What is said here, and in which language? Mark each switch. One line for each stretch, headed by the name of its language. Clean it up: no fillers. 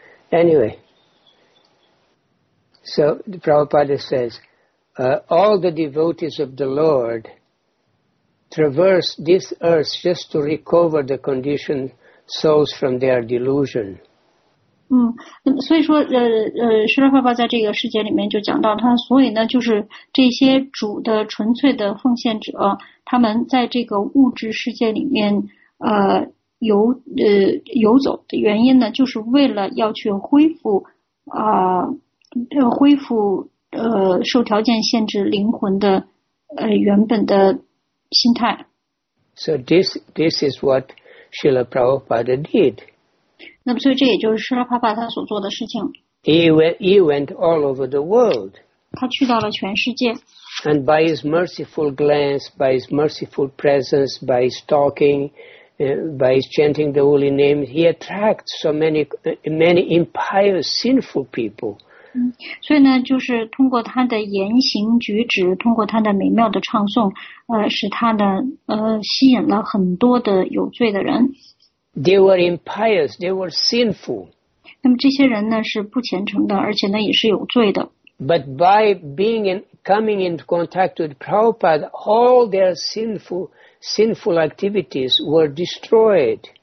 English: Anyway, so Prabhupada says, all the devotees of the Lord traverse this earth just to recover the conditioned souls from their delusion.
Chinese: 所以说释迦牟尼佛在这个世界里面就讲到他，所以呢就是这些主的纯粹的奉献者，他们在这个物质世界里面游走的原因呢，就是为了要去恢复受条件限制灵魂的原本的心态。
English: So this is what Srila Prabhupada did.
Chinese: 那么所以这也就是 Srila Prabhupada 他所做的事情。
English: He went all over the world.
Chinese: 他去到了全世界。
English: And by his merciful glance, by his merciful presence, by his talking, by his chanting the holy name, he attracts so many impious, sinful people.
Chinese: 所以呢，就是通过他的言行举止，通过他的美妙的唱诵，使他的吸引了很多的有罪的人。
English: They were impious. They were sinful.
Chinese: 那么这些人呢，是不虔诚的，而且呢，也是有罪的。
English: But by coming into contact with Prabhupada, all their sinful activities were destroyed.